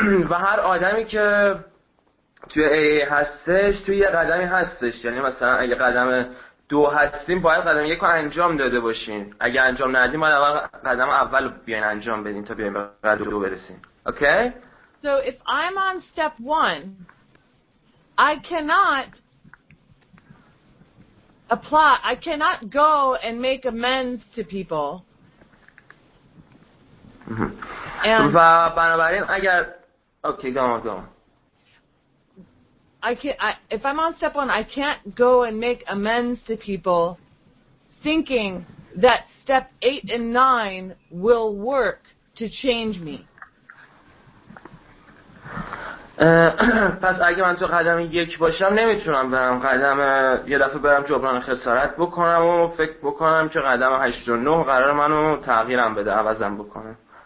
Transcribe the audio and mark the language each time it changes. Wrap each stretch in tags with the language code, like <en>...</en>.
<fa>و هر آدمی که توی AA هستش توی یه قدمی هستش، یعنی مثلا اگه قدم دو هستیم باید قدم یک رو انجام داده باشین، اگه انجام ندیم باید اول قدم اول بیاین انجام بدین تا بیاین به قدم دو برسین.</fa> <en>Okay? So if I'm on step one, I cannot apply, I cannot go and make amends to people. And</en> <fa>و بنابراین اگر اوکی گام</fa> <en>if I'm on step one, I can't go and make amends to people thinking that step 8 and 9 will work to change me.</en> <fa>پس اگه من تو قدم یک باشم نمیتونم برم قدم یه دفعه برم جبران خسارت بکنم و فکر بکنم که قدم 8 و 9 قرار منو تغییرم بده عوضم بکنه.</fa>